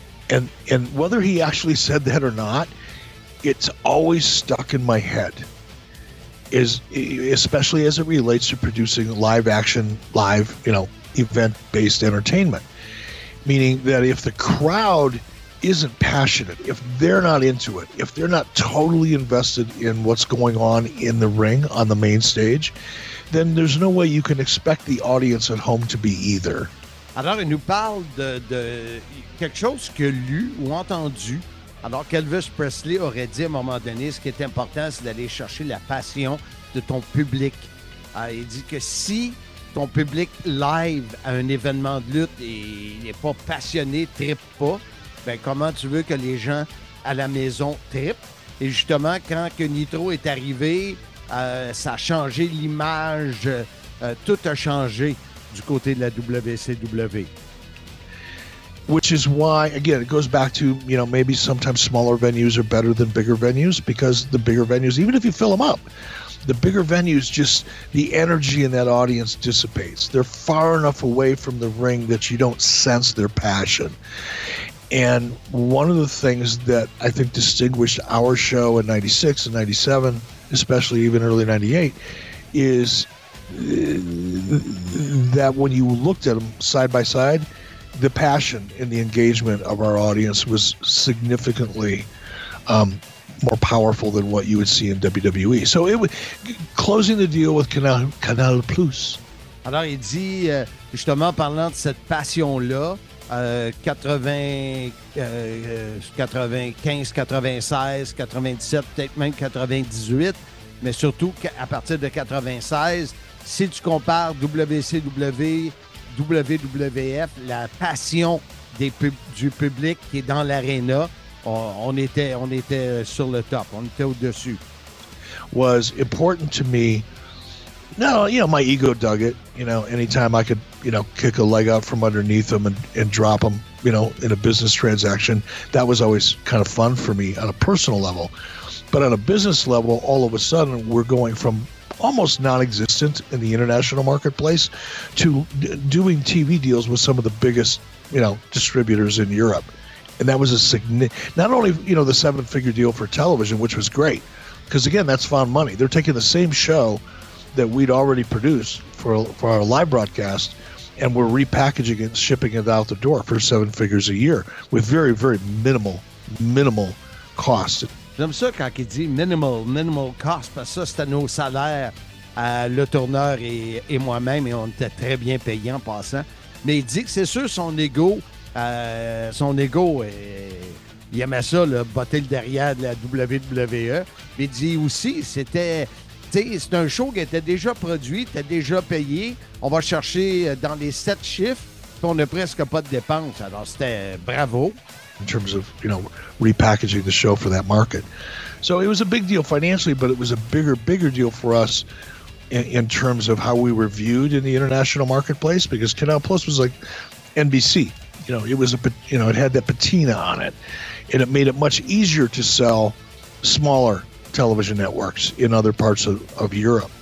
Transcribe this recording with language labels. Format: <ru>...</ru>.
<en>And whether he actually said that or not, it's always stuck in my head, is especially as it relates to producing live action, live, you know, event-based entertainment. Meaning that if the crowd isn't passionate, if they're not into it, if they're not totally invested in what's going on in the ring on the main stage, then there's no way you can expect the audience at home to be either.</en> <fr>Alors, il nous parle de quelque chose qu'il a lu ou entendu. Alors, qu'Elvis Presley aurait dit à un moment donné, ce qui est important, c'est d'aller chercher la passion de ton public. Il dit que si ton public live à un événement de lutte n'est pas passionné, trippe pas, ben comment tu veux que les gens à la maison trippent? Et justement, quand que Nitro est arrivé, ça a changé l'image, tout a changé. Du côté de la WCW.</fr> <en>Which is why, again, it goes back to, you know, maybe sometimes smaller venues are better than bigger venues, because the bigger venues, even if you fill them up, the bigger venues, just the energy in that audience dissipates. They're far enough away from the ring that you don't sense their passion. And one of the things that I think distinguished our show in 96 and 97, especially even early 98, is that when you looked at them side by side, the passion and the engagement of our audience was significantly more powerful than what you would see in WWE. So it was closing the deal with Canal Plus.</en> <fr>Alors il dit justement parlant de cette passion là, 95, 96, 97, peut-être même 98, mais surtout à partir de 96. Si tu compares WCW, WWF, la passion du public qui est dans l'aréna, on était sur le top, on était au-dessus.</fr> <en>Was important to me. No, you know, my ego dug it. You know, anytime I could, you know, kick a leg out from underneath them and drop them, you know, in a business transaction, that was always kind of fun for me on a personal level. But on a business level, all of a sudden, we're going from almost non-existent in the international marketplace to doing TV deals with some of the biggest, you know, distributors in Europe. And that was a significant, not only, you know, the seven-figure deal for television, which was great, because again, that's found money. They're taking the same show that we'd already produced for our live broadcast, and we're repackaging it, shipping it out the door for seven figures a year with very, very minimal cost.</en> <fr>J'aime ça quand il dit</fr> <en>minimal cost,</en> <fr>parce que ça, c'était nos salaires à Le Tourneur et moi-même, et on était très bien payés en passant. Mais il dit que c'est sûr, son ego, il aimait ça, le botter le derrière de la WWE. Mais il dit aussi, c'est un show qui était déjà produit, t'as déjà payé. On va chercher dans les 7 chiffres, puis on n'a presque pas de dépenses. Alors, c'était bravo.</fr> <en>In terms of, you know, repackaging the show for that market. So it was a big deal financially, but it was a bigger deal for us in terms of how we were viewed in the international marketplace, because Canal Plus was like NBC. You know, it was it had that patina on it, and it made it much easier to sell smaller television networks in other parts of Europe.</en>